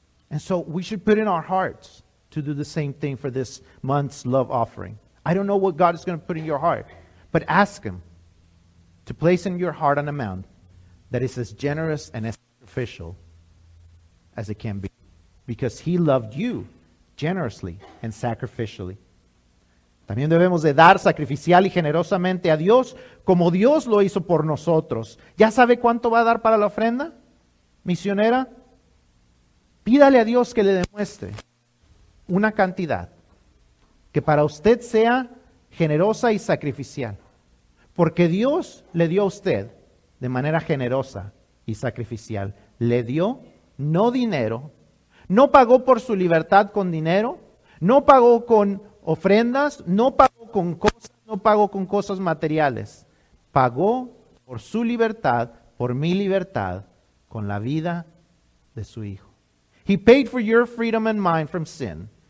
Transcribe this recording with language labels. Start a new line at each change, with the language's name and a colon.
English: And so we should put in our hearts to do the same thing for this month's love offering. I don't know what God is going to put in your heart, but ask Him to place in your heart an amount that is as generous and as sacrificial as it can be. Because He loved you generously and sacrificially.
Spanish: También debemos de dar sacrificial y generosamente a Dios como Dios lo hizo por nosotros. ¿Ya sabe cuánto va a dar para la ofrenda, misionera? Pídale a Dios que le demuestre una cantidad que para usted sea generosa y sacrificial. Porque Dios le dio a usted de manera generosa y sacrificial. Le dio no dinero, no pagó por su libertad con dinero, no pagó con ofrendas, no pagó con cosas, no pagó con cosas materiales. Pagó por su libertad, por mi libertad, con la vida de su Hijo.
English: He paid for your freedom and mine from sin.